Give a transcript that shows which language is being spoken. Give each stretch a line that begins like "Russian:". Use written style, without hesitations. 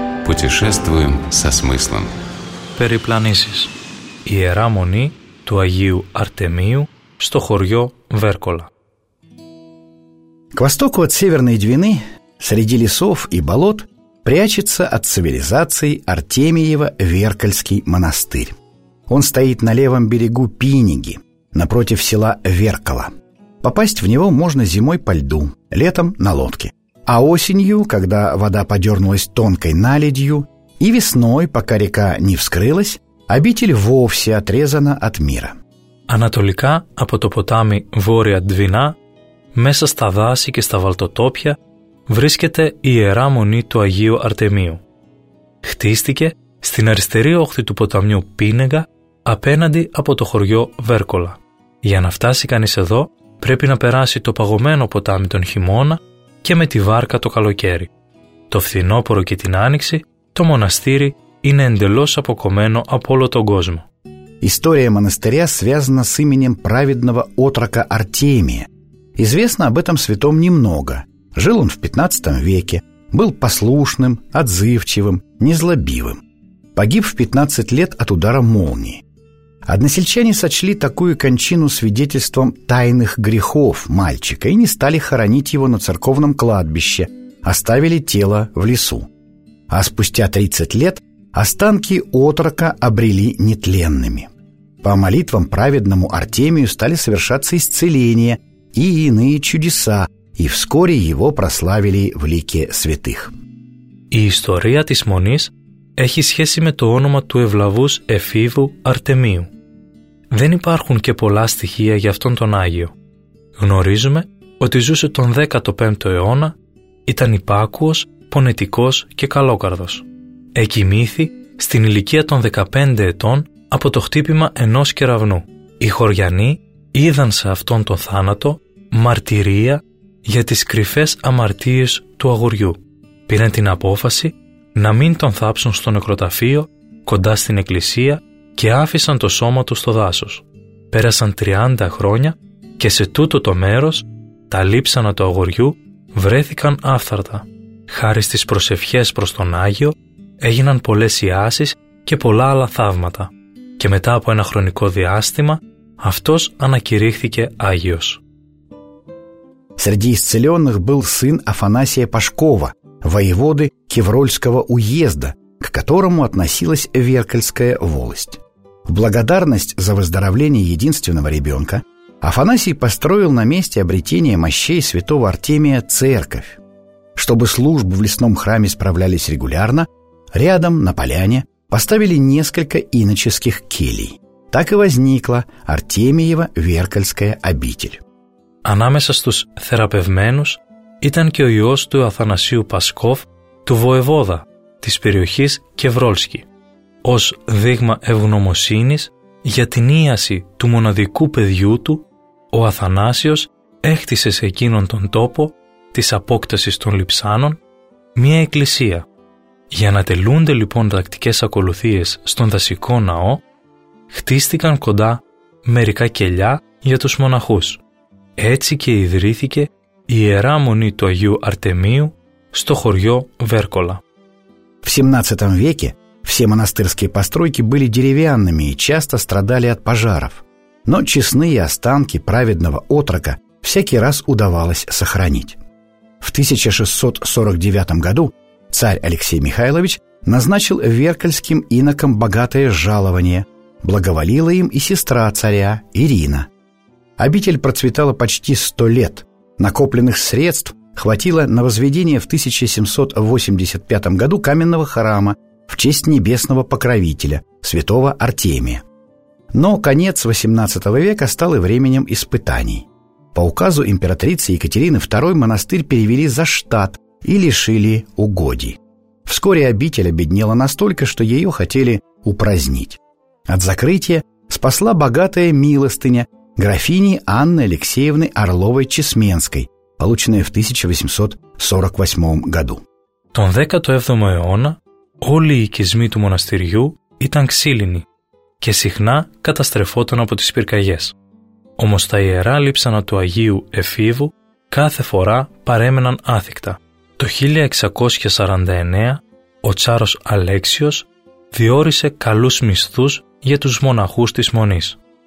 Russian: Путешествуем со смыслом.
Greek: Περιπλανήσεις. Ιερά Μονή του Αγίου Αρτεμίου στο χωριό Βέρκολα.
Russian: К востоку от Северной Двины, среди лесов и болот, прячется от цивилизации Артемиево-Веркольский монастырь. Он стоит на левом берегу Пиниги, напротив села Веркола. Попасть в него можно зимой по льду, летом на лодке. А осенью, когда вода подернулась тонкой наледью, и весной, пока река не вскрылась, обитель вовсе отрезана от мира.
Greek: Анатолика, από το ποτάμι Βόρεια Двина, μέσα στα δάση και στα βαλτοτόπια, βρίσκεται η Ιερά Μονή του Αγίου Αρτεμίου. Χτίστηκε στην αριστερή όχθη του ποταμιού Πίνεγα, απέναντι από το χωριό Βέρκολα. Για να φτάσει κανείς εδώ, πρέπει να περάσει το παγωμένο ποτάμι τον χειμώνα και με τη βάρκα το καλοκαίρι. Το φθινόπωρο και την άνοιξη, το μοναστήρι είναι εντελώς αποκομμένο από όλο τον κόσμο. Η ιστορία του μοναστηρία
Russian: связана с именем праведного отрока Артемия. Известно об этом святом немного. Жил он в 15 веке, был послушным, отзывчивым, незлобивым. Погиб в 15 лет от удара молнии. Односельчане сочли такую кончину свидетельством тайных грехов мальчика и не стали хоронить его на церковном кладбище, оставили тело в лесу. А спустя 30 лет останки отрока обрели нетленными. По молитвам праведному Артемию стали совершаться исцеления и иные чудеса, и вскоре его прославили в лике святых. И история
Greek: της Монής έχει σχέση με το όνομα του ευλαβούς εφήβου Αρτεμίου. Δεν υπάρχουν και πολλά στοιχεία για αυτόν τον Άγιο. Γνωρίζουμε ότι ζούσε τον 15ο αιώνα, ήταν υπάκουος, πονετικός και καλόκαρδος. Εκοιμήθη στην ηλικία των 15 ετών από το χτύπημα ενός κεραυνού. Οι χωριανοί είδαν σε αυτόν τον θάνατο μαρτυρία για τις κρυφές αμαρτίες του αγοριού. Πήραν την απόφαση να μην τον θάψουν στο νεκροταφείο κοντά στην εκκλησία και άφησαν το σώμα του στο δάσος. Πέρασαν 30 χρόνια και σε τούτο το μέρος τα λείψανα του αγοριού βρέθηκαν άφθαρτα. Χάρη στις προσευχές προς τον Άγιο έγιναν πολλές ιάσεις και πολλά άλλα θαύματα και μετά από ένα χρονικό διάστημα αυτός ανακηρύχθηκε Άγιος.
Russian: Среди исцеленных был сын Афанасия Пашкова, воеводы Кеврольского уезда, к которому относилась Веркольская волость. В благодарность за выздоровление единственного ребенка Афанасий построил на месте обретения мощей святого Артемия церковь. Чтобы службы в лесном храме справлялись регулярно, рядом, на поляне, поставили несколько иноческих келий. Так и возникла Артемиево-Веркольская обитель.
Greek: Ανάμεσα στους θεραπευμένους ήταν και ο γιος του Αθανασίου Πασκόφ, του Βοεβόδα, της περιοχής Κευρόλσκη. Ως δείγμα ευγνωμοσύνης για την ίαση του μοναδικού παιδιού του, ο Αθανάσιος έκτισε σε εκείνον τον τόπο της απόκτασης των λειψάνων μία εκκλησία. Για να τελούνται λοιπόν τακτικές ακολουθίες στον δασικό ναό, χτίστηκαν κοντά μερικά κελιά για τους μοναχούς. Έτσι και ιδρύθηκε η Ιερά Μονή του Αγίου Αρτεμίου στο χωριό Βέρκολα.
Russian: В 17 веке Все монастырские постройки были деревянными и часто страдали от пожаров. Но честные останки праведного отрока всякий раз удавалось сохранить. В 1649 году царь Алексей Михайлович назначил веркальским инокам богатое жалование, благоволила им и сестра царя Ирина. Обитель процветала почти 100 лет. Накопленных средств хватило на возведение в 1785 году каменного храма в честь небесного покровителя, святого Артемия. Но конец XVIII века стал и временем испытаний. По указу императрицы Екатерины II монастырь перевели за штат и лишили угодий. Вскоре обитель обеднела настолько, что ее хотели упразднить. От закрытия спасла богатая милостыня графини Анны Алексеевны Орловой-Чесменской, полученная в 1848 году.
Greek: Τον 17ο αιώνα όλοι οι οικισμοί του μοναστηριού ήταν ξύλινοι και συχνά καταστρεφόταν από τις πυρκαγιές. Όμως τα ιερά λείψανα του Αγίου Εφήβου κάθε φορά παρέμεναν άθικτα. Το 1649 ο τσάρος Αλέξιος διόρισε καλούς μισθούς για τους μοναχούς της Μονής.